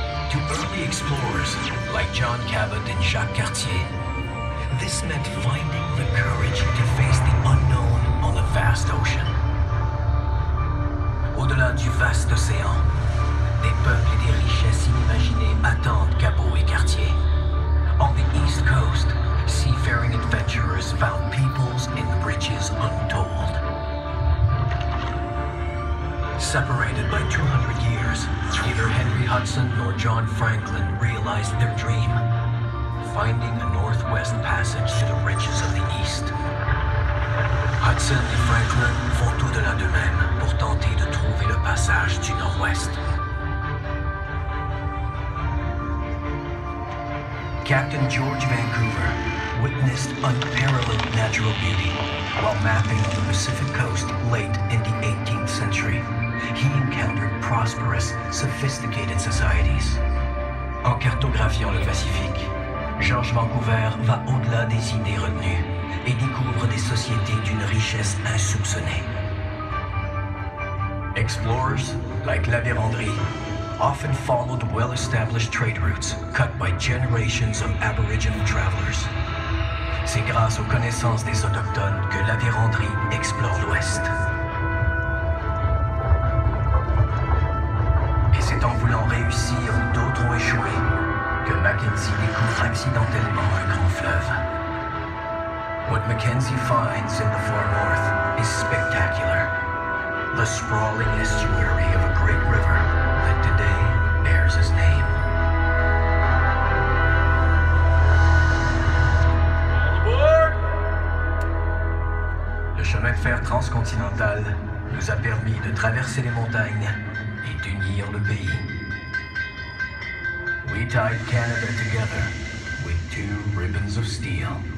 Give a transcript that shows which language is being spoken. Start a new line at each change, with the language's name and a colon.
English: To early explorers like John Cabot and Jacques Cartier, this meant finding the courage to face the unknown on the vast ocean.
French: Au-delà du vaste océan, des peuples et des richesses inimaginées attendent Cabot et Cartier.
English: On the East Coast, seafaring adventurers found peoples and riches untold. Separated by 200 years, neither Henry Hudson nor John Franklin realized their dream, finding a northwest passage to the riches of the East.
French: Hudson et Franklin font au-delà d'eux-mêmes pour tenter de trouver le passage du nord-ouest.
English: Captain George Vancouver witnessed unparalleled natural beauty while mapping the Pacific coast late in the 18th century. He encountered prosperous, sophisticated societies.
French: En cartographiant le Pacifique, George Vancouver va au-delà des idées retenues et découvre des sociétés d'une richesse insoupçonnée.
English: Explorers, like La Vérendrye, often followed well-established trade routes cut by generations of Aboriginal travelers.
French: C'est grâce aux connaissances des autochtones que La Vérendrye explore l'Ouest. Et c'est en voulant réussir où d'autres ont échoué que Mackenzie découvre accidentellement un grand fleuve.
English: What Mackenzie finds in the far north is spectacular. The sprawling estuary of a great river that today bears his name. All aboard!
French: Le chemin de fer transcontinental nous a permis de traverser les montagnes et d'unir le pays.
English: We tied Canada together with two ribbons of steel.